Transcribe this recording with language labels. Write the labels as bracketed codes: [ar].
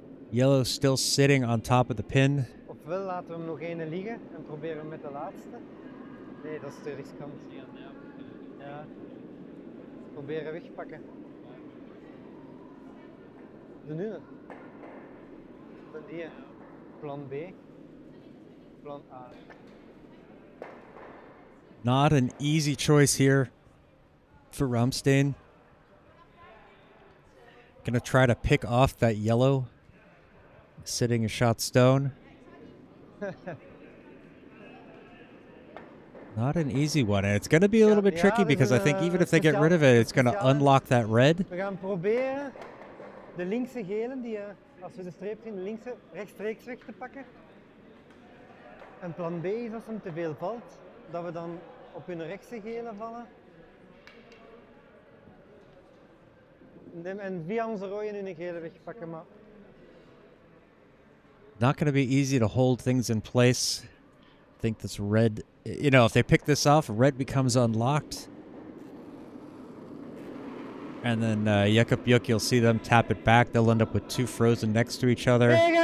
[en] Yellow still sitting on top of the pin. [nl] Ofwel laten we hem nog één liggen en proberen met de laatste. Nee, dat is te riskant. Ja. Proberen wegpakken. De nu. Dan die. Plan B. Plan A. [en] Not an easy choice here for Rammsteen. Gonna try to pick off that yellow sitting a shot stone. Not an easy one. It's gonna be a little bit tricky because I think even if they get rid of it, it's gonna unlock that red. [nl] We gaan proberen de linkse gele die als we de streep zien, de linkse rechtstreeks weg te pakken. En plan B is als hem te veel valt, dat we dan op hun rechtse gele vallen. En via onze rode in hun gele wegpakken, maar. [en] Not going to be easy to hold things in place. I think this red, you know, if they pick this off, red becomes unlocked. And then Jakub Juk, you'll see them tap it back. They'll end up with two frozen next to each other.